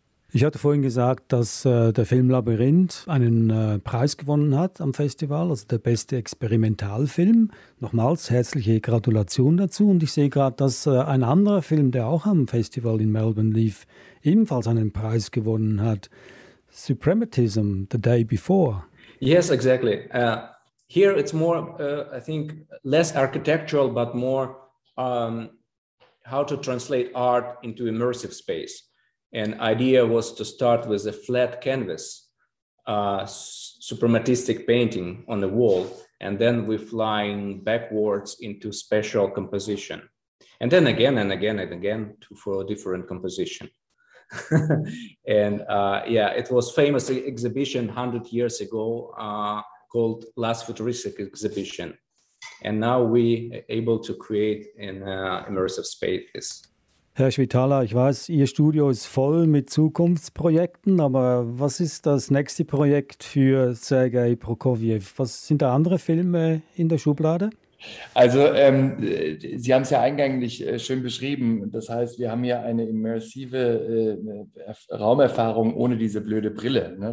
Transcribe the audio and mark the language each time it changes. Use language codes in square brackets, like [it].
[de] Ich hatte vorhin gesagt, dass der Film Labyrinth einen Preis gewonnen hat am Festival, also der beste Experimentalfilm. Nochmals herzliche Gratulation dazu. Und ich sehe gerade, dass ein anderer Film, der auch am Festival in Melbourne lief, ebenfalls einen Preis gewonnen hat. Suprematism, The Day Before. [en] Yes, exactly. Here it's more, I think, less architectural, but more how to translate art into immersive space. And idea was to start with a flat canvas, suprematistic painting on the wall, and then we're flying backwards into special composition. And then again and again and again for a different composition. And yeah, it was famous exhibition 100 years ago called Last Futuristic Exhibition. And now we are able to create an immersive space. [de] Herr Schwitala, ich weiß, Ihr Studio ist voll mit Zukunftsprojekten, aber was ist das nächste Projekt für Sergei Prokofjew? Was sind da andere Filme in der Schublade? Also Sie haben es ja eingänglich schön beschrieben. Das heißt, wir haben hier eine immersive Raumerfahrung ohne diese blöde Brille. Ne?